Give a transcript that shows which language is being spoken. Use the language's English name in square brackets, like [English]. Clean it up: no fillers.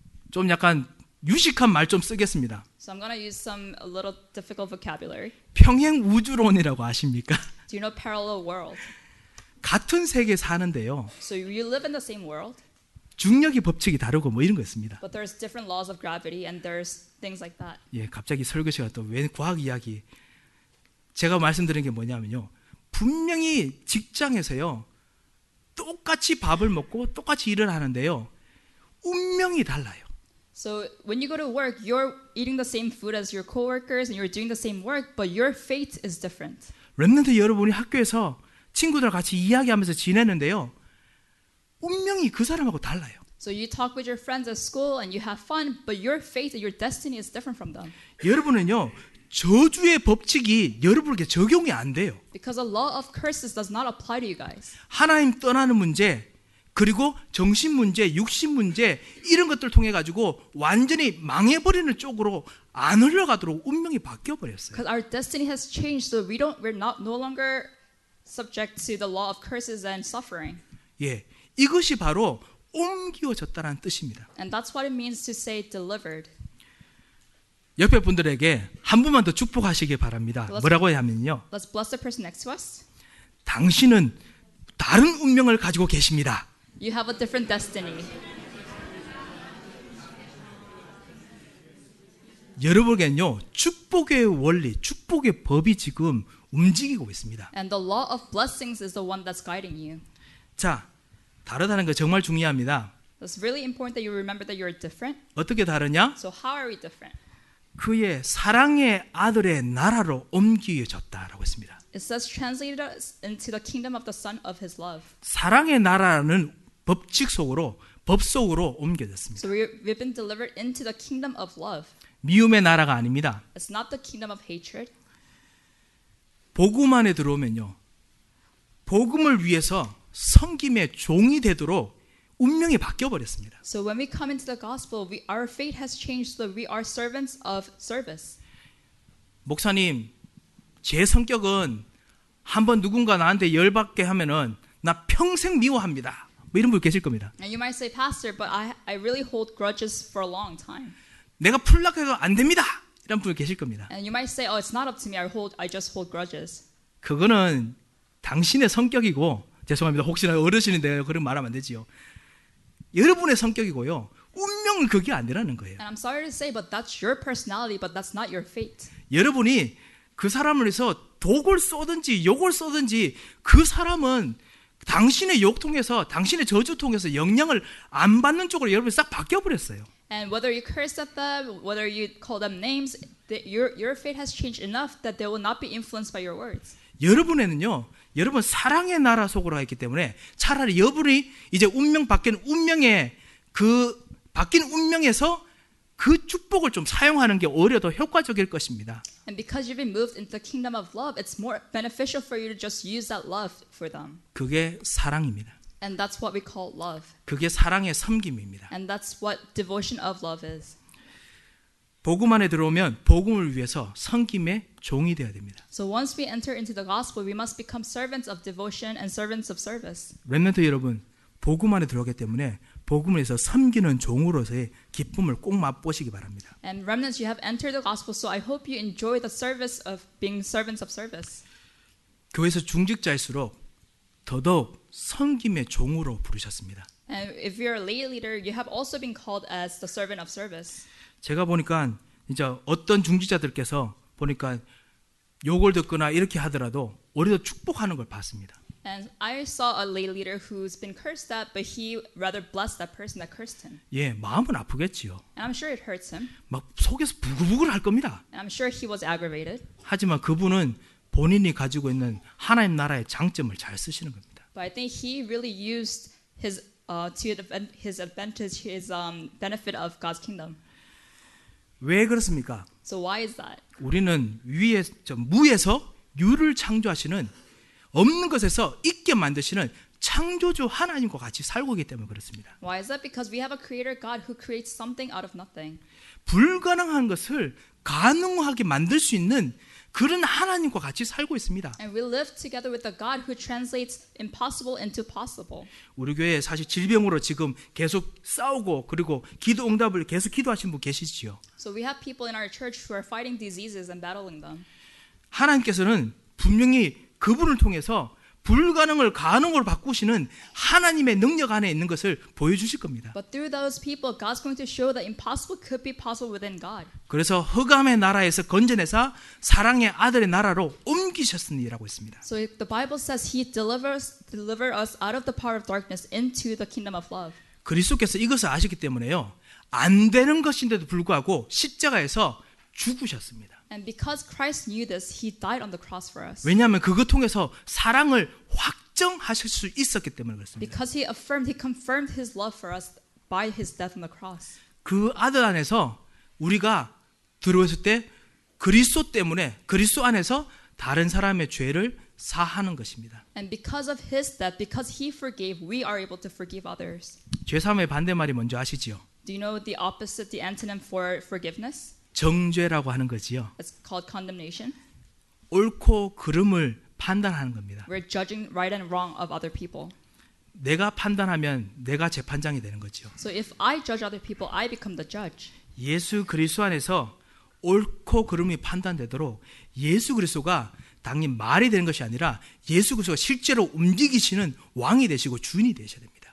[Korean] 좀 약간 유식한 말 좀 쓰겠습니다. [English] So I'm going to use some a little difficult vocabulary. [Korean] 평행 우주론이라고 아십니까? [English] Do you know parallel world? [Korean] 같은 세계 사는데요. [English] So you live in the same world? [Korean] 중력의 법칙이 다르고 뭐 이런 거 있습니다. [English] But there's different laws of gravity and there's things like that. [Korean] 예, 갑자기 설교 시간 또 웬 과학 이야기. 제가 말씀드린 게 뭐냐면요. 분명히 직장에서요. 똑같이 밥을 먹고 똑같이 일을 하는데요. 운명이 달라요. [English] So when you go to work, you're eating the same food as your coworkers and you're doing the same work, but your fate is different. [Korean] 랩런트 여러분이 학교에서 친구들 같이 이야기하면서 지내는데요. 운명이 그 사람하고 달라요. [English] So you talk with your friends at school and you have fun, but your fate and your destiny is different from them. [Korean] 여러분은요. 저주의 법칙이 여러분에게 적용이 안 돼요. [English] Because the law of curses does not apply to you guys. [Korean] 하나님 떠나는 문제 그리고 정신 문제, 육신 문제 이런 것들 통해 가지고 완전히 망해 버리는 쪽으로 안 흘러가도록 운명이 바뀌어 버렸어요. [English] Because our destiny has changed so we're no longer subject to the law of curses and suffering. [Korean] 예. 이것이 바로 옮겨졌다는 뜻입니다. [English] And that's what it means to say delivered. [Korean] 옆에 분들에게 한 분만 더 축복하시기 바랍니다. 뭐라고 하면요? [English] Let's bless the person next to us. [Korean] 당신은 다른 운명을 가지고 계십니다. [English] You have a different destiny. [Korean] 여러분에게는요, 축복의 원리, 축복의 법이 지금 움직이고 있습니다. [English] And the law of blessings is the one that's guiding you. [Korean] 자, 다르다는 거 정말 중요합니다. [English] It's really important that you remember that you're different. [Korean] 어떻게 다르냐? [English] So how are we different? [Korean] 그의 사랑의 아들의 나라로 옮겨졌다라고 했습니다. [English] It says translated us into the kingdom of the son of his love. [Korean] 사랑의 나라는 법칙 속으로, 법 속으로 옮겨졌습니다. [English] So we've been delivered into the kingdom of love. [Korean] 미움의 나라가 아닙니다. [English] It's not the kingdom of hatred. [Korean] 복음 안에 들어오면요. 복음을 위해서 섬김의 종이 되도록 운명이 바뀌어버렸습니다. [English] So when we come into the gospel, our fate has changed so that we are servants of service. [Korean] 목사님, 제 성격은 한번 누군가 나한테 열받게 하면은 나 평생 미워합니다. 뭐 이런 분 계실 겁니다. [English] And you might say, Pastor, but I really hold grudges for a long time. [Korean] 내가 풀락해서 안 됩니다. 이런 분 계실 겁니다. [English] And you might say, Oh, it's not up to me. I just hold grudges. [Korean] 그거는 당신의 성격이고 죄송합니다. 혹시나 어르신인데 그런 말하면 안 되지요. 여러분의 성격이고요. 운명은 그게 아니라는 거예요. [English] And I'm sorry to say, but that's your personality, but that's not your fate. [Korean] 여러분이 그 사람을 위해서 독을 쏘든지 욕을 쏘든지 그 사람은 당신의 욕 통해서 당신의 저주 통해서 영향을 안 받는 쪽으로 여러분이 싹 바뀌어버렸어요. [English] And whether you curse at them, whether you call them names, your fate has changed enough that they will not be influenced by your words. [Korean] 여러분에는요. 여러분 사랑의 나라 속으로 가 있기 때문에 차라리 여러분이 이제 운명 바뀐 운명에 그 바뀐 운명에서 그 축복을 좀 사용하는 게 오히려 더 효과적일 것입니다. [English] And because you've been moved into the kingdom of love, it's more beneficial for you to just use that love for them. [Korean] 그게 사랑입니다. [English] And that's what we call love. [Korean] 그게 사랑의 섬김입니다. [English] And that's what devotion of love is. [Korean] 복음 안에 들어오면 복음을 위해서 섬김의 종이 되어야 됩니다. [English] So once we enter into the gospel, we must become servants of devotion and servants of service. [Korean] 렘넌트 여러분, 복음 안에 들어오기 때문에 복음을 위해서 섬기는 종으로서의 기쁨을 꼭 맛보시기 바랍니다. [English] And remnants, you have entered the gospel, so I hope you enjoy the service of being servants of service. [Korean] 교회에서 중직자일수록 더더욱 섬김의 종으로 부르셨습니다. [English] And if you're a lay leader, you have also been called as the servant of service. [Korean] 제가 보니까 이제 어떤 중직자들께서 보니까 욕을 듣거나 이렇게 하더라도 오히려 축복하는 걸 봤습니다. [English] And I saw a lay leader who's been cursed at, but he rather blessed that person that cursed him. [Korean] 예, 마음은 아프겠지요. [English] And I'm sure it hurts him. [Korean] 막 속에서 부글부글 할 겁니다. [English] And I'm sure he was aggravated. [Korean] 하지만 그분은 본인이 가지고 있는 하나님 나라의 장점을 잘 쓰시는 겁니다. [English] But I think he really used his advantage, his benefit of God's kingdom. [Korean] 왜 그렇습니까? [English] So why is that? [Korean] 우리는 무에서 유를 창조하시는 없는 것에서 있게 만드시는 창조주 하나님과 같이 살고 있기 때문에 그렇습니다. [English] Why is that? Because we have a creator God who creates something out of nothing. [Korean] 불가능한 것을 가능하게 만들 수 있는 그런 하나님과 같이 살고 있습니다. [English] And we live together with the God who translates impossible into possible. [Korean] 우리 교회에 사실 질병으로 지금 계속 싸우고 그리고 기도 응답을 계속 기도하시는 분 계시지요. [English] So we have people in our church who are fighting diseases and battling them. [Korean] 하나님께서는 분명히 그분을 통해서 불가능을 가능으로 바꾸시는 하나님의 능력 안에 있는 것을 보여주실 겁니다. [English] But through those people, God's going to show that impossible could be possible within God. [Korean] 그래서 흑암의 나라에서 건져내사 사랑의 아들의 나라로 옮기셨으니라고 했습니다. [English] So the Bible says He delivered us out of the power of darkness into the kingdom of love. [Korean] 그리스도께서 이것을 아셨기 때문에요, 안 되는 것인데도 불구하고 십자가에서 죽으셨습니다. [English] And because Christ knew this, he died on the cross for us. [Korean] 왜냐하면 그것 통해서 사랑을 확정하실 수 있었기 때문에 그렇습니다. [English] Because he affirmed, he confirmed his love for us by his death on the cross. [Korean] 그 아들 안에서 우리가 들어왔을 때 그리스도 때문에 그리스도 안에서 다른 사람의 죄를 사하는 것입니다. [English] And because of his death, because he forgave, we are able to forgive others. [Korean] 죄 사함의 반대말이 뭔지 아시지요? [English] Do you know the opposite, the antonym for forgiveness? [Korean] 정죄라고 하는 거지요. [English] It's called condemnation. [Korean] 옳고 그름을 판단하는 겁니다. [English] We're judging right and wrong of other people. [Korean] 내가 판단하면 내가 재판장이 되는 거지요. [English] So if I judge other people, I become the judge. [Korean] 예수 그리스도 안에서 옳고 그름이 판단되도록 예수 그리스도가 당연히 말이 되는 것이 아니라 예수 그리스도가 실제로 움직이시는 왕이 되시고 주인이 되셔야 됩니다.